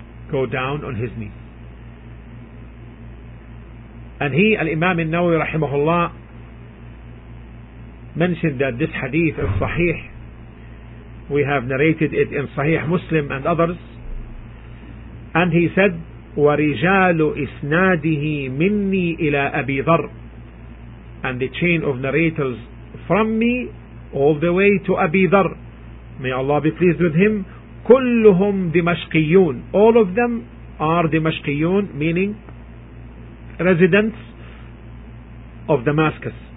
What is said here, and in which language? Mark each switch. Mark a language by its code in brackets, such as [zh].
[en] Go down on his knees. And he, al-Imam al-Nawawi rahimahullah, mentioned that this hadith is sahih. We have narrated it in Sahih Muslim and others. [ar] And he said, وَرِجَالُ إِسْنَادِهِ مِنِّي إِلَىٰ أَبِي ذَرٍ. [en] And the chain of narrators from me all the way to Abi Dhar, may Allah be pleased with him, [ar] كُلُّهُمْ دِمَشْقِيُونَ. [en] All of them are دِمَشْقِيُون, meaning residents of Damascus.